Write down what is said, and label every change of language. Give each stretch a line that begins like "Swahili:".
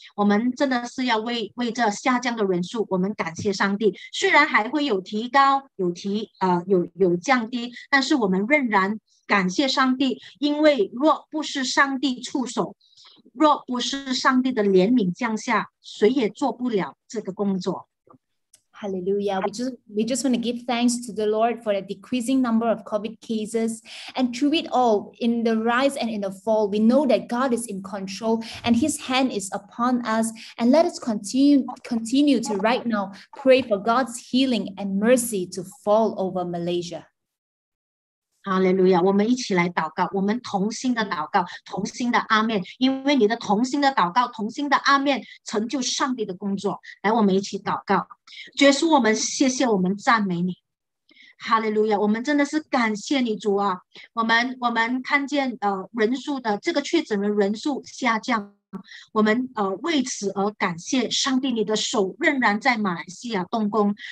Chinese: 我们真的是要为这下降的人数，我们感谢上帝。虽然还会有提高，有降低，但是我们仍然感谢上帝，因为若不是上帝触手，若不是上帝的怜悯降下，谁也做不了这个工作。
English: Hallelujah. We just want to give thanks to the Lord for the decreasing number of COVID cases. And through it all, in the rise and in the fall, we know that God is in control and His hand is upon us. And let us continue to right now pray for God's healing and mercy to fall over Malaysia.
Chinese: Hallelujah. 我们一起来祷告，我们同心的祷告，同心的阿们。因为你的同心的祷告，同心的阿们，成就上帝的工作。来，我们一起祷告。主耶稣，我们谢谢，我们赞美你。哈利路亚，我们真的是感谢你主啊。我们看见人数的这个确诊的人数下降，我们为此而感谢上帝，你的手仍然在马来西亚动工。